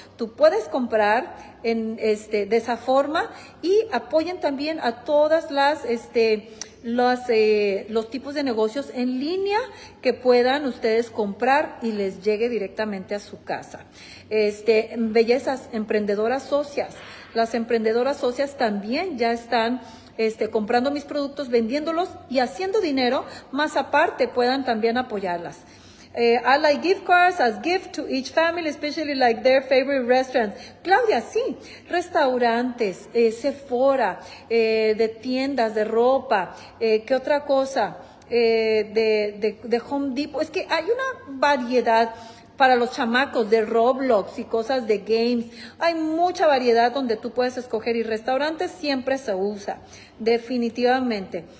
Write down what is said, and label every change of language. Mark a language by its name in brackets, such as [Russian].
[Spanish] Tú puedes comprar de esa forma y apoyen también a todas los tipos de negocios en línea que puedan ustedes comprar y les llegue directamente a su casa. Bellezas, emprendedoras socias. Las emprendedoras socias también ya están comprando mis productos, vendiéndolos y haciendo dinero, más aparte puedan también apoyarlas. [English] I like gift cards as gift to each family, especially like their favorite restaurants. [Spanish] Claudia, sí, restaurantes, Sephora, de tiendas, de ropa, ¿qué otra cosa? De Home Depot. Es que hay una variedad para los chamacos de Roblox y cosas de games. Hay mucha variedad donde tú puedes escoger y restaurantes siempre se usa, definitivamente.